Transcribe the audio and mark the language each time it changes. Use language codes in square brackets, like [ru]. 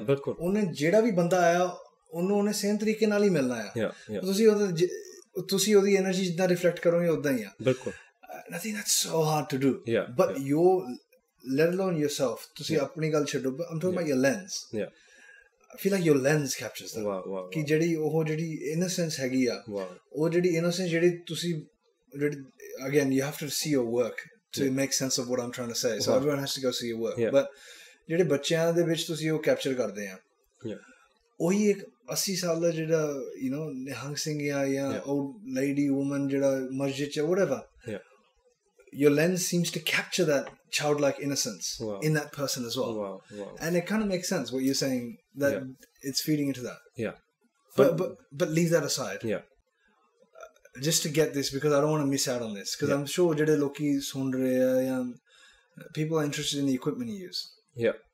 [pa] ਯਾ ਬਿਲਕੁਲ, ਉਹਨੇ ਜਿਹੜਾ ਵੀ ਬੰਦਾ ਆਇਆ ਉਹਨੂੰ ਉਹਨੇ ਸੇਮ ਤਰੀਕੇ ਨਾਲ ਹੀ ਮਿਲਣਾ ਆ। ਤੁਸੀਂ ਉਹਦੇ ਤੁਸੀਂ ਉਹਦੀ ਐਨਰਜੀ ਜਿੱਦਾਂ ਰਿਫਲੈਕਟ ਕਰੋਗੇ ਉਦਾਂ ਹੀ ਆ। ਬਿਲਕੁਲ, [en] Nothing that's so hard to do. Yeah but you let alone yourself, [pa] ਤੁਸੀਂ ਆਪਣੀ ਗੱਲ ਛੱਡੋ, [en] Am talking about your lens. Yeah I feel like your lens captures that. [pa] ਵਾਹ ਵਾਹ, ਕਿ ਜਿਹੜੀ ਉਹ ਜਿਹੜੀ ਇਨੋਸੈਂਸ ਹੈਗੀ ਆ, ਉਹ ਜਿਹੜੀ ਇਨੋਸੈਂਸ ਜਿਹੜੀ ਤੁਸੀਂ, [en] again, you have to see your work to make sense of what I'm trying to say. So everyone has to go see your work. Yeah. [pa] But ਜਿਹੜੇ ਬੱਚਿਆਂ ਦੇ ਵਿੱਚ ਤੁਸੀਂ ਉਹ ਕੈਪਚਰ ਕਰਦੇ ਆ, ਉਹੀ ਇੱਕ 80 ਸਾਲ ਦਾ ਜਿਹੜਾ ਯੂ ਨੋ ਨਿਹੰਗ ਸਿੰਘ ਆ ਜਾਂ ਉਹ ਲੇਡੀ ਵੂਮਨ ਜਿਹੜਾ ਮਸਜਿਦ ਚ ਵਟੈਵਰ, [en] your lens seems to capture that childlike innocence in that person as well. Wow. And it kind of makes sense what you're saying, that it's feeding into that. Yeah. But leave that aside. Yeah. Just to get this, because I don't want to miss out on this, because I'm sure [pa] jede loki sun rahe hain, [en] people are interested in the equipment you use. Yeah.